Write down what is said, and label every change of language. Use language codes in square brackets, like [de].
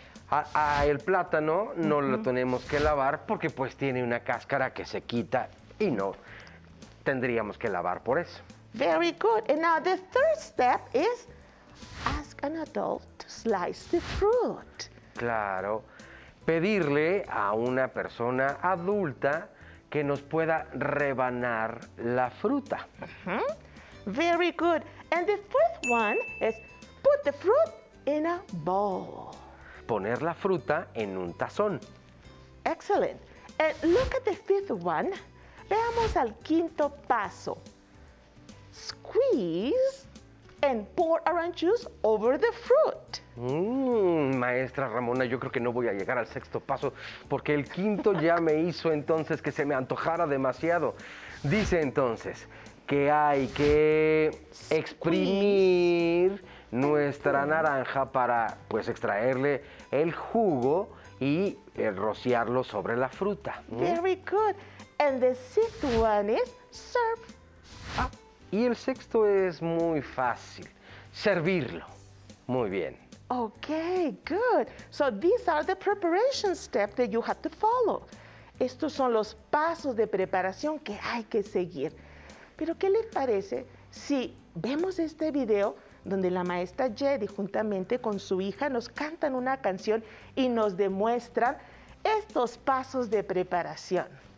[es] A el plátano no lo tenemos que lavar porque pues tiene una cáscara que se quita y no tendríamos que lavar por eso. [en] Very good. And now the third step is ask an adult to slice the fruit. [es] Claro. Pedirle a una persona adulta que nos pueda rebanar la fruta. [en] Very good. And the fourth one is put the fruit in a bowl. [es] Poner la fruta en un tazón. [en] Excellent. Look at the fifth one. [es] Veamos al quinto paso. [en] Squeeze and pour orange juice over the fruit. [es] Maestra Ramona, yo creo que no voy a llegar al sexto paso porque el quinto ya me hizo entonces que se me antojara demasiado. Dice entonces que hay que exprimir nuestra naranja para pues extraerle el jugo y rociarlo sobre la fruta. [en] Very good. And the sixth one is serve. [es] Y el sexto es muy fácil, servirlo. Muy bien. [en] Okay, good. So these are the preparation steps that you have to follow. [es] Estos son los pasos de preparación que hay que seguir. Pero ¿qué les parece si vemos este video donde la maestra Jedi juntamente con su hija nos cantan una canción y nos demuestran estos pasos de preparación?